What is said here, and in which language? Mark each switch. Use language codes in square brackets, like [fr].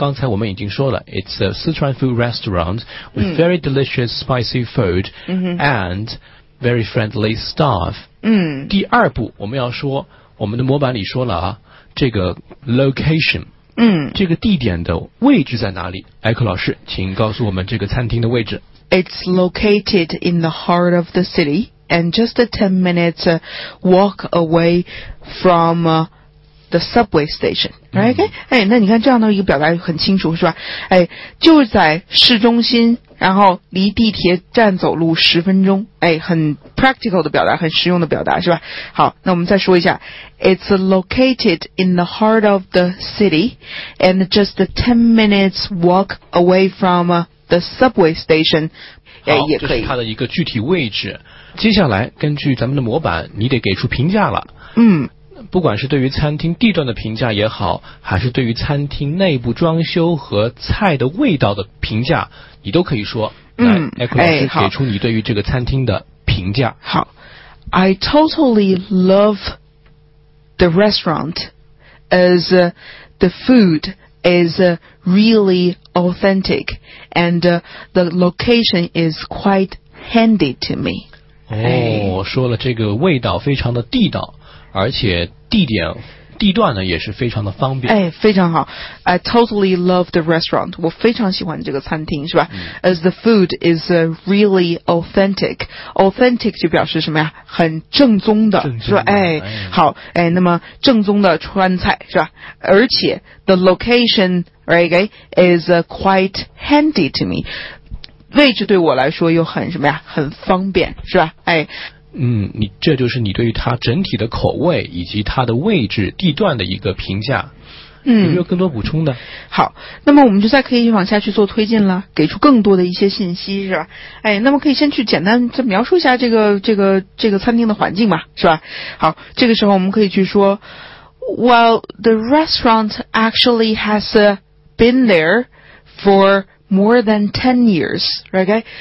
[zh] 刚才我们已经说了 [en] ，It's a Sichuan food restaurant with very delicious spicy food and very friendly staff。 [zh] 第二步，我们要说我们的模板里说了啊，这个 location。这个地点的位置在哪里？艾克老师，请告诉我们这个餐厅的位置。 [en] It's located in the heart of the city and just a 10 minutes walk away from the subway station. Right? Okay? [zh] 那你看这样的一个表达很清楚是吧？就在市中心，然后离地铁站走路十分钟。很 practical 的表达，很实用的表达是吧？好，那我们再说一下。 [en] It's located in the heart of the city and just a 10 minutes walk away from the subway station. [zh] 好，这是它的一个具体位置。接下来根据咱们的模板你得给出评价了。不管是对于餐厅地段的评价也好，还是对于餐厅内部装修和菜的味道的评价，你都可以说。来，艾克老师给出你对于这个餐厅的评价。 [en] 好， I totally love the restaurant as the food is really authentic and the location is quite handy to me. [zh] 说了这个味道非常的地道，而且地点地段呢也是非常的方便。哎，非常好。 [en] I totally love the restaurant. [zh] 我非常喜欢这个餐厅，是吧？嗯。 [en] As the food is really authentic. Authentic [zh] 就表示什么呀？很正宗的，是吧？哎，好，哎，那么正宗的川菜，是吧？ [en] 而且 the location, right, is quite handy to me. [zh] 位置对我来说又很什么呀？很方便，是吧？哎。嗯，你这就是你对于它整体的口味以及它的位置地段的一个评价。嗯，有没有更多补充的？好，那么我们就再可以往下去做推进了，给出更多的一些信息，是吧？哎，那么可以先去简单再描述一下这个餐厅的环境嘛，是吧？好，这个时候我们可以去说 [en] ，Well, the restaurant actually has been there for more than 10 years, right?